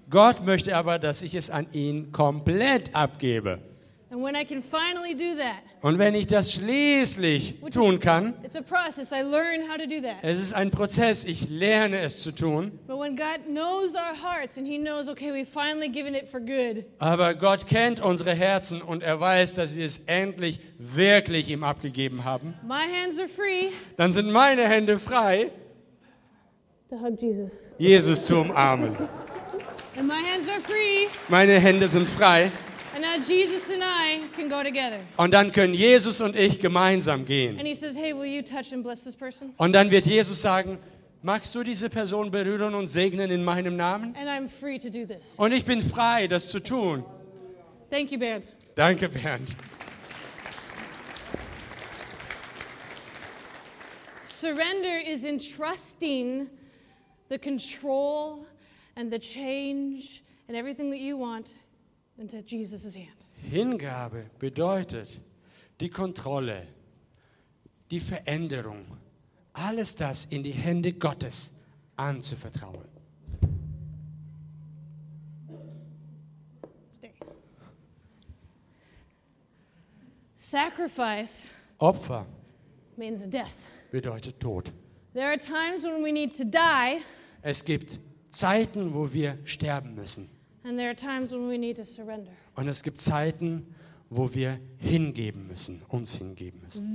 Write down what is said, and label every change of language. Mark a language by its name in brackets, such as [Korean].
[German] Gott möchte aber, dass ich es an ihn komplett abgebe. [English] And when I can finally do that, [German] und wenn ich das schließlich tun kann, [English] it's a process. I learn how to do that. [German] Es ist ein Prozess, ich lerne es zu tun. [English] But when God knows our hearts and he knows, okay, we've finally given it for good. [German] Aber Gott kennt unsere Herzen und er weiß, dass wir es endlich wirklich ihm abgegeben haben. [English] My hands are free. [German] Dann sind meine Hände frei. [English] To hug Jesus. [German] Jesus zu umarmen. [English] And my hands are free. [German] Meine Hände sind frei. [English] And now Jesus and I can go together. [German] Und dann können Jesus und ich gemeinsam gehen. [English] And he says, "Hey, will you touch and bless this person?" [German] Und dann wird Jesus sagen, magst du diese Person berühren und segnen in meinem Namen? [English] And I'm free to do this. [German] Und ich bin frei, das zu tun. [English] Thank you, Bernd. [German] Danke, Bernd. [English] Surrender is entrusting the control and the change and everything that you want into Jesus' hand. [German] Hingabe bedeutet die Kontrolle, die Veränderung, alles das in die Hände Gottes anzuvertrauen. [English] Stay. Sacrifice. [German] Opfer. [English] Means death. [German] Bedeutet Tod. [English] There are times when we need to die. [German] Es gibt Zeiten, wo wir sterben müssen. [English] And there are times when we need to surrender. [German] Und es gibt Zeiten, wo wir hingeben müssen, uns hingeben müssen.